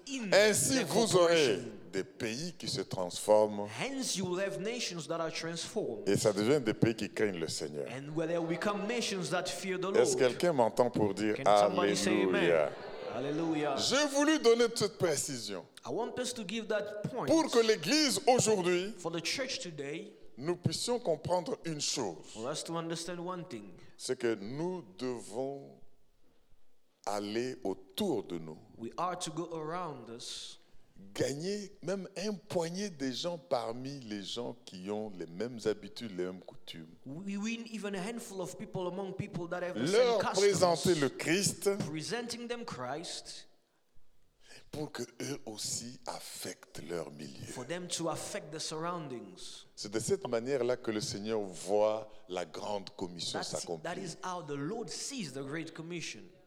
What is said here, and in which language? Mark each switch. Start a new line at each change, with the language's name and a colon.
French: Ainsi, vous aurez des pays qui se transforment.
English: Hence, you will have nations that are transformed.
French: Et ça devient des pays qui craignent le Seigneur.
English: And where they become nations that fear the Lord.
French: Est-ce que quelqu'un m'entend pour dire Alléluia?
English: Hallelujah.
French: J'ai voulu donner cette précision.
English: I want us to give that point.
French: Pour que l'Église aujourd'hui.
English: For the church today,
French: nous puissions comprendre une chose.
English: For us to understand one thing.
French: C'est que nous devons aller autour de nous.
English: We are to go around us.
French: Gagner même un poignet des gens parmi les gens qui ont les mêmes habitudes, les mêmes coutumes.
English: We win even a handful of people among people that have the
French: leur
English: same customs.
French: Présenter le Christ.
English: Presenting them Christ.
French: Pour que eux aussi affectent leur milieu.
English: For them to affect the surroundings.
French: C'est de cette manière-là que le Seigneur voit la grande commission s'accomplir.
English: That is how the Lord sees the great commission.